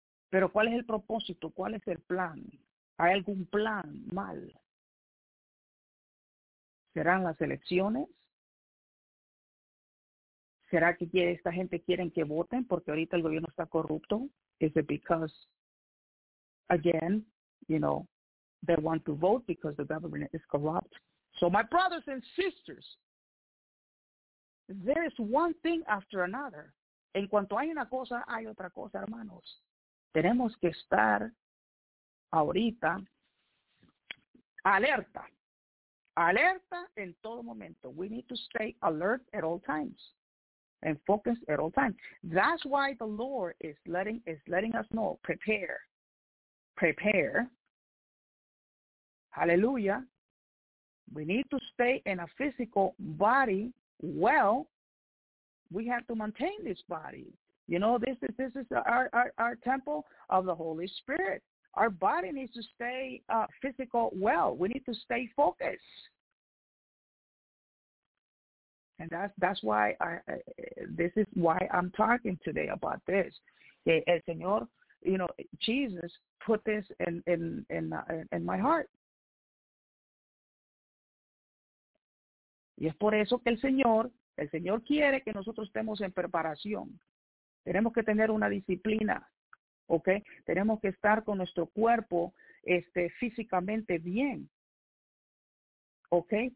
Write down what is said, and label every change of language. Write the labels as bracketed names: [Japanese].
[Spanish] Pero ¿cuál es el propósito? ¿Cuál es el plan? ¿Hay algún plan mal? ¿Serán las elecciones? ¿Será que esta gente quieren que voten porque ahorita el gobierno está corrupto? [English] Is it because, again, you know, they want to vote because the government is corrupt? So my brothers and sisters, There is one thing after another. [Spanish] En cuanto hay una cosa, hay otra cosa, hermanos. Tenemos que estar ahorita alerta. Alerta en todo momento. [English] We need to stay alert at all times. And focused at all times. That's why the Lord is letting us know, prepare. Prepare. Hallelujah. We need to stay in a physical body well. We have to maintain this body. You know, this is our temple of the Holy Spirit. Our body needs to stay physical well. We need to stay focused. And that's why this is why I'm talking today about this. [Spanish] El Señor, [English] you know, Jesus put this in my heart. [Spanish] Y es por eso que el Señor quiere que nosotros estemos en preparación. Tenemos que tener una disciplina, ¿okay? Tenemos que estar con nuestro cuerpo físicamente bien, ¿okay?